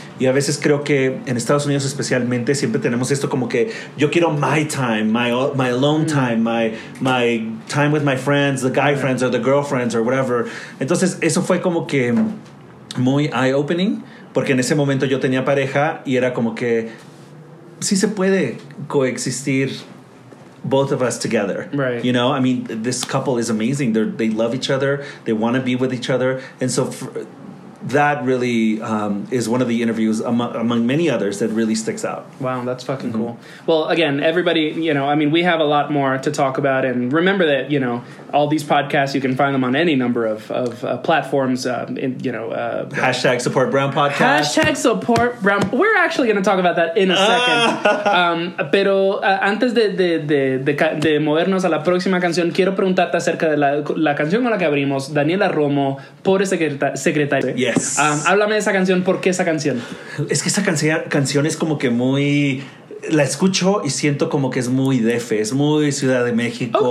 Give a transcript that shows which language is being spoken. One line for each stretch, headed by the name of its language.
Spanish: Y a veces creo que en Estados Unidos especialmente siempre tenemos esto como que yo quiero
English: my time, my alone time, my time with my friends, the guy friends or the girlfriends or whatever.
Spanish: Entonces eso fue como que muy eye-opening. Porque en ese momento yo tenía pareja y era como que sí se puede coexistir
English: both of us together. Right. You know, I mean, this couple is amazing. They love each other. They want to be with each other. And so that really is one of the interviews among many others that really sticks out. Wow, that's fucking cool. Well, again, everybody, you know, I mean, we have a lot more to talk about. And remember that, you know, all these podcasts, you can find them on any number of platforms, in, you know. Hashtag support Brown podcast. Hashtag support Brown. We're actually going to talk about that in a second.
Spanish: Pero antes de movernos a la próxima canción, quiero preguntarte acerca de la canción con la que abrimos, Daniela Romo, Pobre Secretaria.
English: Yes.
Spanish: Háblame de esa canción. ¿Por qué esa canción? Es que esa canción es como que muy... La escucho y siento como que es muy DF, es muy Ciudad de México.